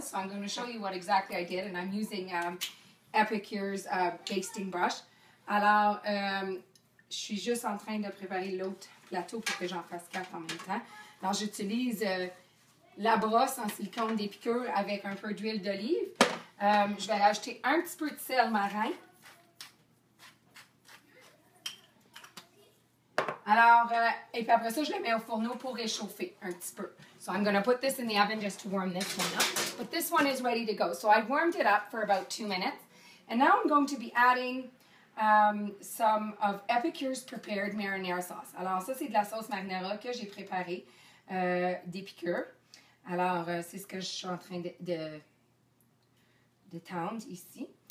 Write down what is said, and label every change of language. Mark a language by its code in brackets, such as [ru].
[en] So I'm going to show you what exactly I did, and I'm using Epicure's basting brush. [fr] Alors, je suis juste en train de préparer l'autre plateau pour que j'en fasse quatre en même temps. Alors, j'utilise la brosse en silicone d'Epicure avec un peu d'huile d'olive. Je vais rajouter un petit peu de sel marin. Alors, et puis après ça, je le mets au fourneau pour réchauffer un petit peu. [en] So I'm going to put this in the oven just to warm this one up. But this one is ready to go. So I've warmed it up for about 2 minutes. And now I'm going to be adding some of Epicure's prepared marinara sauce. [fr] Alors ça, c'est de la sauce marinara que j'ai préparée d'Epicure. Alors, c'est ce que je suis en train de tendre ici.